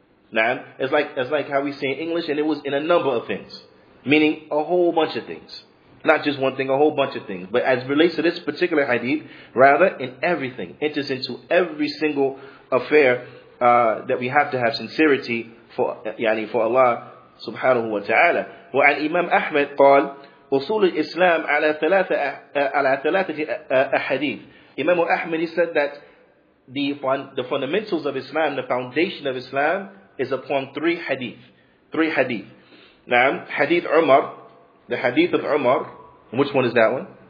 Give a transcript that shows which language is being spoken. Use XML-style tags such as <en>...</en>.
<en>Now, it's like how we say in English, and it was in a number of things, meaning a whole bunch of things. Not just one thing, a whole bunch of things. But as it relates to this particular hadith, rather, in everything, enters into every single affair that we have to have sincerity for, yani for Allah subhanahu wa ta'ala.</en> <ar>وعن Imam Ahmed قال وصول الإسلام على ثلاثة أحاديث.</ar> <en>Imam Ahmed, he said that the fundamentals of Islam, the foundation of Islam, is upon three hadith. Now, hadith Umar, the hadith of Umar, which one is that one?</en>